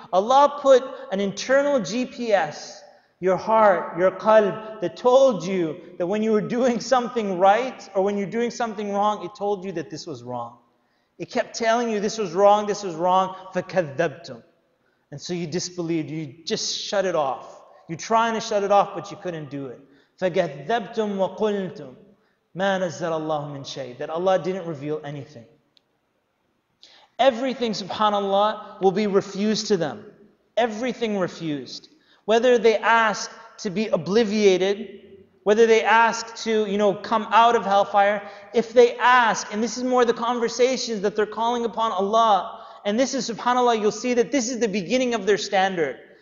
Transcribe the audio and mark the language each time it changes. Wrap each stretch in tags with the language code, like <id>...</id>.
<en>Allah put an internal GPS, your heart, your qalb, that told you that when you were doing something right or when you're doing something wrong, it told you that this was wrong. It kept telling you this was wrong, فَكَذَّبْتُمْ. And so you disbelieved, you just shut it off. You're trying to shut it off, but you couldn't do it.</en> <ar>فَكَذَّبْتُمْ وَقُلْتُمْ مَا نَزَّلَ اللَّهُ مِنْ شَيْءٍ,</ar> <en>that Allah didn't reveal anything. Everything, subhanAllah, will be refused to them. Everything refused. Whether they ask to be obliviated, whether they ask to, you know, come out of hellfire, if they ask, and this is more the conversations that they're calling upon Allah, and this is, subhanAllah, you'll see that this is the beginning of their standard.</en>